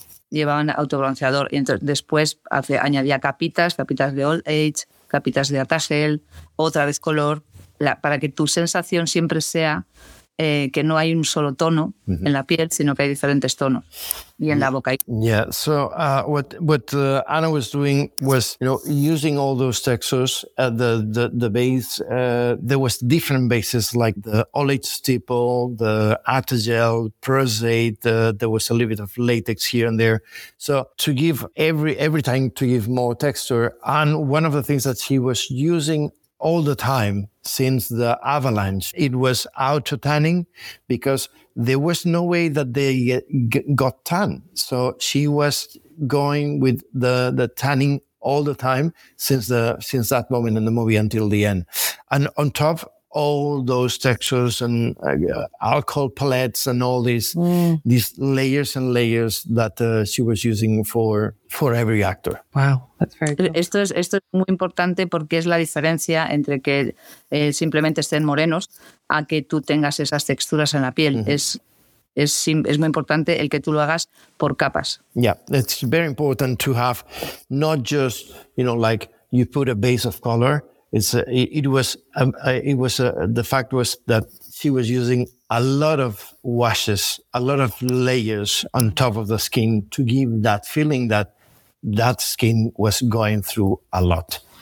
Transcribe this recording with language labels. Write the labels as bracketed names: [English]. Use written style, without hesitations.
[Spanish] Llevaban autobronceador y entonces después añadía capitas de old age, capitas de Atacel, otra vez color, para que tu sensación siempre sea... que no hay un solo tono mm-hmm. en la piel, sino que hay diferentes tonos y en la boca. [English] Yeah, so what Anna was doing was, you know, using all those textures at the base. There was different bases like the olive stipple, the artigel, prosate. There was a little bit of latex here and there. So to give every time to give more texture. And one of the things that she was using all the time since the avalanche, it was auto tanning, because there was no way that they got tan. So she was going with the tanning all the time since that moment in the movie until the end. And on top, all those textures and alcohol palettes and all these layers and layers that she was using for every actor. Wow, that's very cool. [Spanish] Esto es muy importante porque es la diferencia entre que simplemente estén morenos a que tú tengas esas texturas en la piel. Mm-hmm. Es muy importante el que tú lo hagas por capas. [English] Yeah, it's very important to have not just, you know, like you put a base of color. The fact was that she was using a lot of washes, a lot of layers on top of the skin to give that feeling that skin was going through a lot.